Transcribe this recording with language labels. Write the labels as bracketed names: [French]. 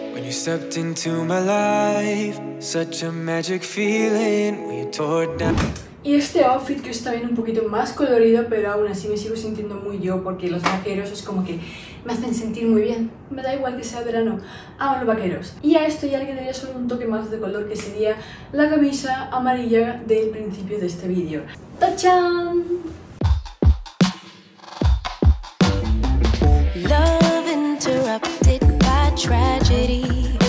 [English] Stepped into my life, such a magic feeling. We tore down. [Spanish] Y este outfit que está bien un poquito más colorido, pero aún así me sigo sintiendo muy yo porque los vaqueros es como que me hacen sentir muy bien. Me da igual que sea verano, amo los vaqueros. Y a esto ya le quedaría solo un toque más de color, que sería la camisa amarilla del principio de este vídeo. ¡Tachán! [English] Love interrupted by tragedy.